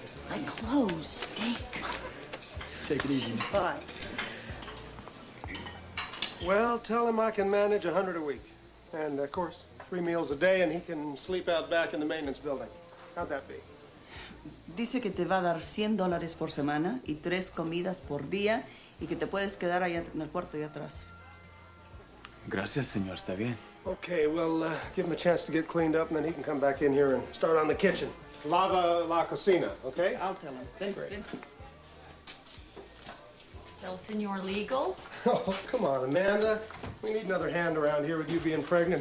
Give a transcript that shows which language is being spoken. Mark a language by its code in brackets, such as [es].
[en] My clothes stink. Take it easy. Bye. Well, tell him I can manage 100 a week. And, of course, 3 meals a day, and he can sleep out back in the maintenance building. How'd that be? [es] Dice que te va a dar $100 por semana y 3 comidas por día, y que te puedes quedar allá en el cuarto de atrás. Gracias, señor. Está bien. [en] Okay, well, give him a chance to get cleaned up, and then he can come back in here and start on the kitchen. [es] Lava la cocina, okay? [en] I'll tell him. Ben, great. Ben. [es] El Señor Legal? [en] Oh, come on, Amanda. We need another hand around here with you being pregnant.